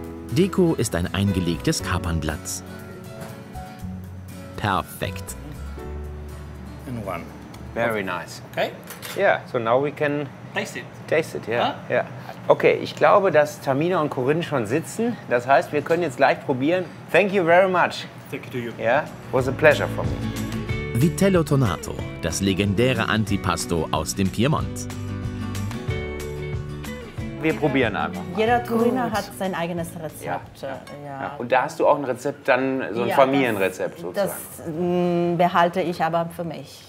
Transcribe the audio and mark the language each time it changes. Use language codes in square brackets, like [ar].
[de] Deko ist ein eingelegtes Kapernblatt. Perfekt. [en] In one. Very nice. Okay. Yeah, so now we can taste it. Yeah. Huh? Yeah. [de] Okay, ich glaube, dass Tamina und Corinne schon sitzen. Das heißt, wir können jetzt gleich probieren. [en] Thank you very much. Thank you to you. Yeah, was a pleasure for me. [de] Vitello Tonnato, das legendäre Antipasto aus dem Piemont. Wir probieren einfach mal. Jeder Turiner hat sein eigenes Rezept. Ja. Ja. Ja. Und da hast du auch ein Rezept, dann so ein Familienrezept sozusagen. Das behalte ich aber für mich.